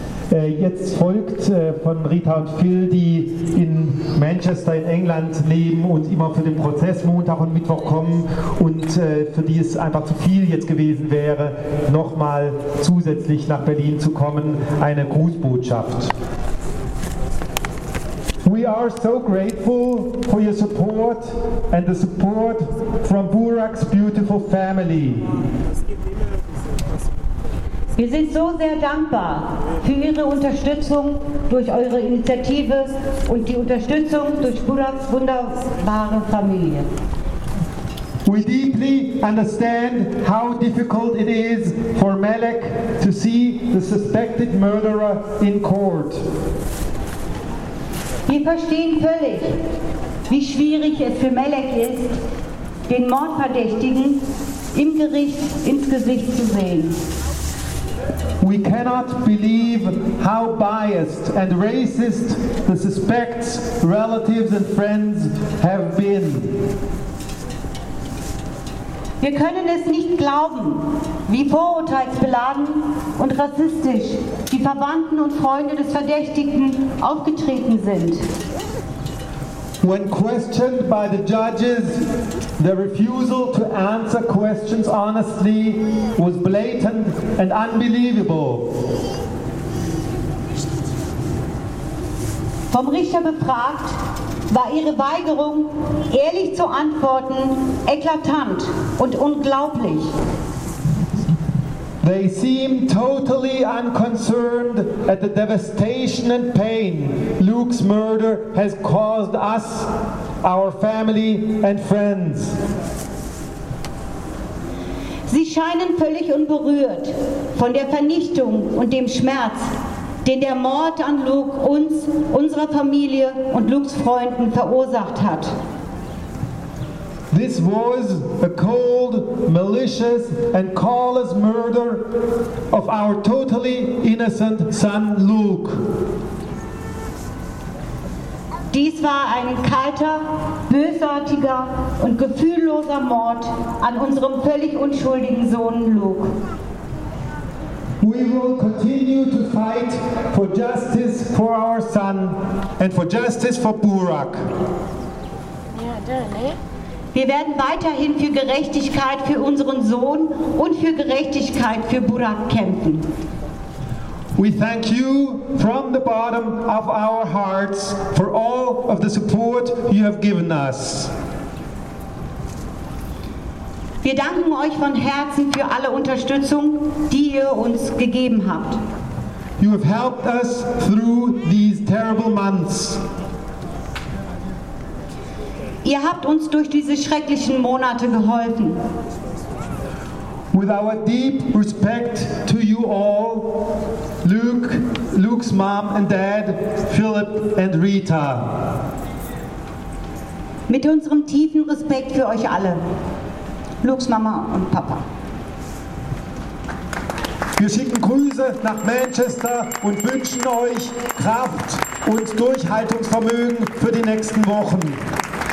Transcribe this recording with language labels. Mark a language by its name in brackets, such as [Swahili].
[German] Jetzt folgt von Rita und Phil, die in Manchester in England leben und immer für den Prozess Montag und Mittwoch kommen und für die es einfach zu viel jetzt gewesen wäre, nochmal zusätzlich nach Berlin zu kommen, eine Grußbotschaft. [English] We are so grateful for your support and the support from Burak's beautiful family. [German] Wir sind so sehr dankbar für Ihre Unterstützung durch eure Initiative und die Unterstützung durch Buraks wunderbare Familie. [English] We deeply understand how difficult it is for Malek to see the suspected murderer in court. [German] Wir verstehen völlig, wie schwierig es für Malek ist, den Mordverdächtigen im Gericht ins Gesicht zu sehen. [English] We cannot believe how biased and racist the suspect's relatives and friends have been. [German] Wir können es nicht glauben, wie vorurteilsbeladen und rassistisch die Verwandten und Freunde des Verdächtigen aufgetreten sind. [English] When questioned by the judges, their refusal to answer questions honestly was blatant and unbelievable. [German] Vom Richter befragt, war ihre Weigerung, ehrlich zu antworten, eklatant und unglaublich. [English] They seem totally unconcerned at the devastation and pain Luke's murder has caused us, our family and friends. [German] Sie scheinen völlig unberührt von der Vernichtung und dem Schmerz, den der Mord an Luke uns, unserer Familie und Lukes Freunden verursacht hat. [English] This was a cold, malicious and callous murder of our totally innocent son Luke. [German] Dies war ein kalter, bösartiger und gefühlloser Mord an unserem völlig unschuldigen Sohn Luke. [English] We will continue to fight for justice for our son and for justice for Burak. [German] Wir werden weiterhin für Gerechtigkeit für unseren Sohn und für Gerechtigkeit für Burak kämpfen. [English] We thank you from the bottom of our hearts for all of the support you have given us. [German] Wir danken euch von Herzen für alle Unterstützung, die ihr uns gegeben habt. [English] You have helped us through these terrible months. [German] Ihr habt uns durch diese schrecklichen Monate geholfen. [English] With our deep respect to you all, Luke, Luke's mom and dad, Philip and Rita. [German] Mit unserem tiefen Respekt für euch alle, Luke's Mama und Papa. Wir schicken Grüße nach Manchester und wünschen euch Kraft und Durchhaltungsvermögen für die nächsten Wochen.